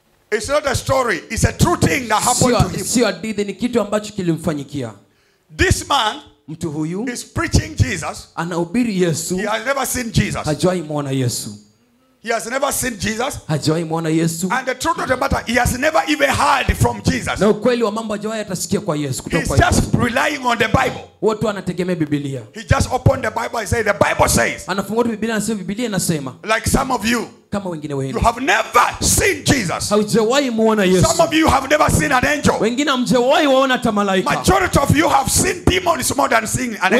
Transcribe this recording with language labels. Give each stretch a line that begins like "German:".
English: It's not a story, it's a true thing that happened to him.
Swahili: Sio hadithi, ni kitu ambacho kilimfanyikia.
English: This man,
Swahili: mtu huyu,
English: is preaching Jesus.
Swahili: Anahubiri Yesu.
English: He has never seen Jesus.
Swahili: Hajawahi muona Yesu.
English: He has never seen Jesus.
Swahili: Hajawahi muona Yesu.
English: And the truth of the matter, he has never even heard from Jesus.
Swahili: Na ukweli wa mambo hajawahi atasikia kwa Yesu kutoka kwa Yesu.
English: He's just relying on the Bible.
Swahili: Watu anategemea Biblia.
English: He just opened the Bible and said, the Bible says.
Swahili: Anafungua tu Biblia anasema Biblia inasema.
English: Like some of you.
Swahili: Kama wengine wengi.
English: You have never seen Jesus.
Swahili: Hajawahi muona Yesu.
English: Some of you have never seen an angel.
Swahili: Wengine hamjawahi waona hata malaika.
English: Majority of you have seen demons more than seeing an angel.